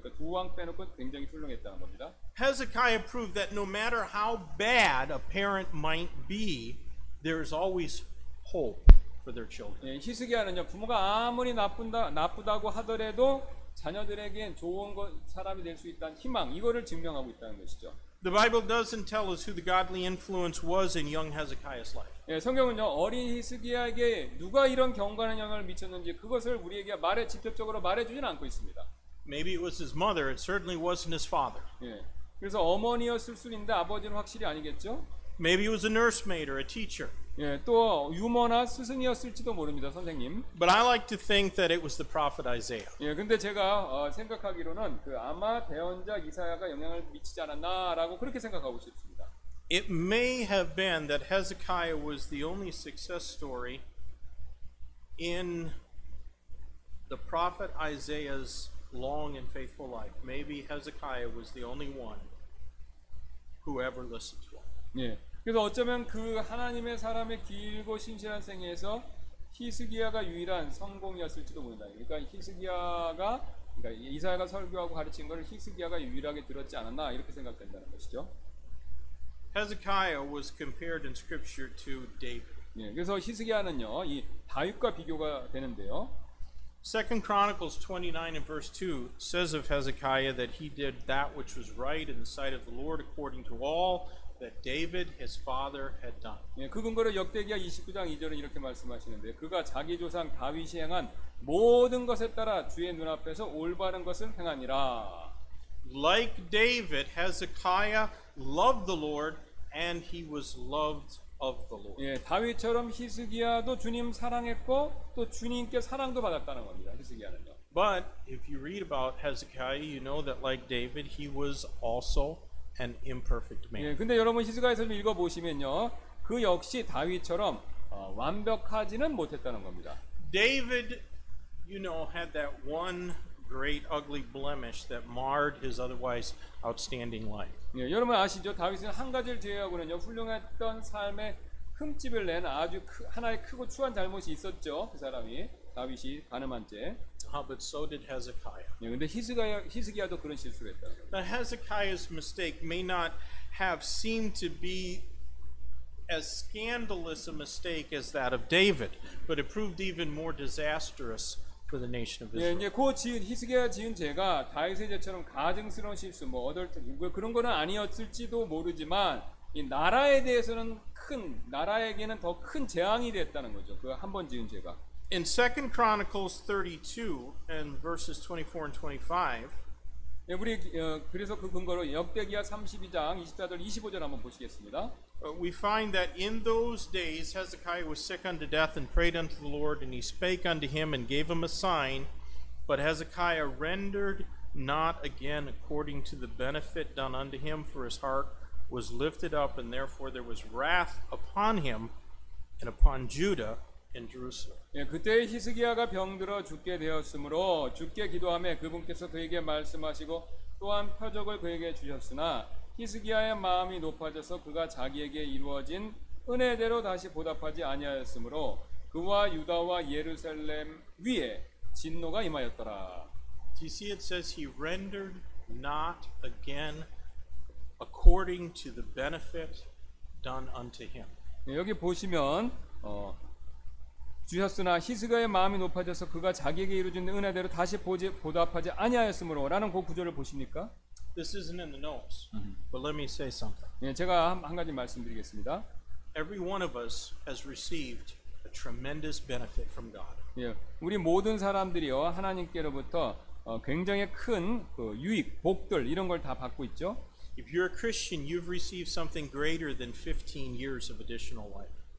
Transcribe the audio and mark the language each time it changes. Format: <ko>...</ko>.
<ko>그러니까 두 왕 빼놓고 굉장히 훌륭했다는 겁니다.</ko> <en>Hezekiah proved that no matter how bad a parent might be, there is always hope for their children.</en> <ko>예, 히스기야는요, 부모가 아무리 나쁘다고 하더라도 자녀들에게 좋은 사람이 될 수 있다는 희망, 이거를 증명하고 있다는 것이죠.</ko> <en>The Bible doesn't tell us who the godly influence was in young Hezekiah's life.</en> <ko>예, 성경은요, 어린 히스기야에게 누가 이런 경건한 영향을 미쳤는지 그것을 우리에게 직접적으로 말해주지는 않고 있습니다.</ko> <en>Maybe it was his mother. It certainly wasn't his father.</en> <ko>예, 그래서 어머니였을 수 있는데 아버지는 확실히 아니겠죠?</ko> <en>Maybe it was a nursemaid or a teacher.</en> <ko>예, 또 유모나 스승이었을지도 모릅니다, 선생님.</ko> <en>But I like to think that it was the prophet Isaiah.</en> <ko>예, 근데 제가 생각하기로는 그 아마 대언자 이사야가 영향을 미치지 않았나라고 그렇게 생각하고 싶습니다.</ko> <en>It may have been that Hezekiah was the only success story in the prophet Isaiah's long and faithful life. Maybe Hezekiah was the only one who ever listened to him.</en> <ko>예. 그래서 어쩌면 그 하나님의 사람의 길고 신실한 생애에서 히스기야가 유일한 성공이었을지도 모른다. 그러니까 히스기야가 그러니까 이사야가 설교하고 가르친 것을 히스기야가 유일하게 들었지 않았나 이렇게 생각된다는 것이죠.</ko> <en>Hezekiah was compared in scripture to David.</en> <ko>예, 그래서 히스기야는요, 이 다윗과 비교가 되는데요.</ko> <en>2 Chronicles 29 and verse 2 says of Hezekiah that he did that which was right in the sight of the Lord according to all that David his father had done.</en> <ko>예, 그 근거를 역대기야 29장 2절은 이렇게 말씀하시는데 그가 자기 조상 다윗이 행한 모든 것에 따라 주의 눈앞에서 올바른 것을 행하니라.</ko> <en>Like David, Hezekiah loved the Lord and he was loved of the Lord.</en> <ko>예, 다윗처럼 히스기야도 주님 사랑했고 또 주님께 사랑도 받았다는 겁니다. 히스기야는요.</ko> <en>But if you read about Hezekiah, you know that like David, he was also an imperfect man.</en> <ko>예, 근데 여러분 히스기야서 읽어 보시면요. 그 역시 다윗처럼 완벽하지는 못했다는 겁니다.</ko> <en>David, you know, had that one great ugly blemish that marred his otherwise outstanding life.</en> <ko>예, 여러분 아시죠? 다윗은 한 가지를 제외하고는요. 훌륭했던 삶에 흠집을 낸 아주 크, 하나의 크고 추한 잘못이 있었죠. 그 사람이 다윗이 가늠한죄.</ko> <en>But so did Hezekiah.</en> <ko>예, 근데 히스기야도 그런 실수를 했다.</ko> <en>Now Hezekiah's mistake may not have seemed to be as scandalous a mistake as that of David, but it proved even more disastrous for the nation of Israel.</en> <ko>예, 그 지은 히스기야 지은 죄가 다윗의 죄처럼 가증스러운 실수 뭐 어덜트 그런 거는 아니었을지도 모르지만 이 나라에 대해서는 큰 나라에게는 더 큰 재앙이 됐다는 거죠. 그 한 번 지은 죄가.</ko> <en>In 2 Chronicles 32 and verses 24 and 25.</en> <ko>예, 우리 그래서 그 근거로 역대기야 32장 24절 25절 한번 보시겠습니다.</ko> <en>We find that in those days Hezekiah was sick unto death and prayed unto the Lord and he spake unto him and gave him a sign but Hezekiah rendered not again according to the benefit done unto him for his heart was lifted up and therefore there was wrath upon him and upon Judah and Jerusalem.</en> <ko>예, 그때 히스기야가 병들어 죽게 되었으므로 주께 기도하매 그분께서 그에게 말씀하시고 또한 표적을 그에게 주셨으나 히스기야의 마음이 높아져서 그가 자기에게 이루어진 은혜대로 다시 보답하지 아니하였으므로 그와 유다와 예루살렘 위에 진노가 임하였더라.</ko> <en>Do you see it says he rendered not again according to the benefit done unto him.</en> <ko>네, 여기 보시면 주셨으나 히스기야의 마음이 높아져서 그가 자기에게 이루어진 은혜대로 다시 보답하지 아니하였으므로라는 그 구절을 보십니까?</ko> <en>This isn't in the notes, but let me say something.</en> <ko>예, 제가 한 가지 말씀드리겠습니다.</ko> <en>Every one of us has received a tremendous benefit from God.</en> <ko>예, 우리 모든 사람들이요 하나님께로부터 굉장히 큰 그 유익, 복들 이런 걸 다 받고 있죠.</ko> <en>If you're a Christian, you've received something greater than 15 years of additional life.</en>